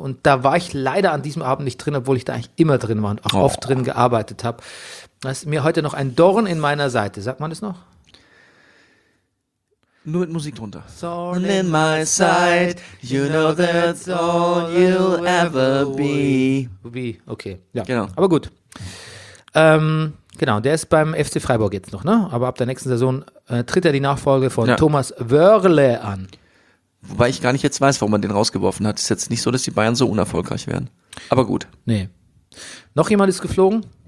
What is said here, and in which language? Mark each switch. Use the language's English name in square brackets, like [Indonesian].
[German] Und da war ich leider an diesem Abend nicht drin, obwohl ich da eigentlich immer drin war und auch oft drin gearbeitet habe. Da ist mir heute noch ein Dorn in meiner Seite, sagt man das noch? Nur mit Musik drunter. [English] Thorn in my side, you know that's all you'll ever be. [German] Wie, okay. Ja. Genau. Aber gut. Genau, der ist beim FC Freiburg jetzt noch, ne? Aber ab der nächsten Saison tritt er die Nachfolge von Thomas Wörle an. Wobei ich gar nicht jetzt weiß, warum man den rausgeworfen hat. Ist jetzt nicht so, dass die Bayern so unerfolgreich wären. Aber gut. Nee. Noch jemand ist geflogen?